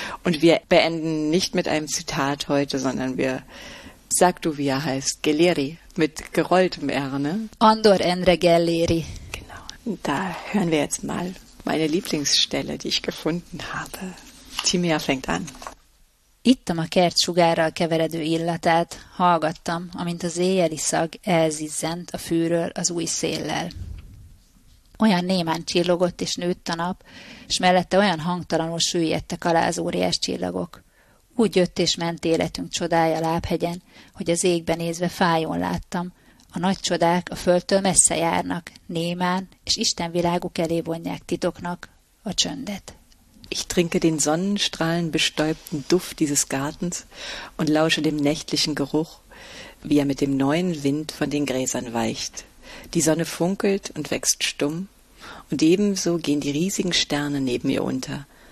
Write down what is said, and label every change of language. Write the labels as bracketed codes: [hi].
[de] Und wir beenden nicht mit einem Zitat heute, sondern wir sag du, wie er heißt, Geleri, mit gerolltem R, ne? Andor Endre Geleri. Genau. Da hören wir jetzt mal meine Lieblingsstelle, die ich gefunden habe. Timia fängt an. [hu] Ittam a kert sugárral keveredő illatát, hallgattam, amint az éjjeli szag elzizzent a fűről az új széllel. Olyan némán csillogott és nőtt a nap, s mellette olyan hangtalanul süllyedtek alá az óriás csillagok. Úgy jött és ment életünk csodája lábhegyen, hogy az égbe nézve fájón láttam. A nagy csodák a földtől messze járnak, némán, és Isten világuk elé vonják titoknak a csöndet. [de] Ich trinke den sonnenstrahlenbestäubten Duft dieses Gartens und lausche dem nächtlichen Geruch, wie er mit dem neuen Wind von den Gräsern weicht. Die Sonne funkelt und wächst stumm, und ebenso gehen die riesigen Sterne neben ihr unter.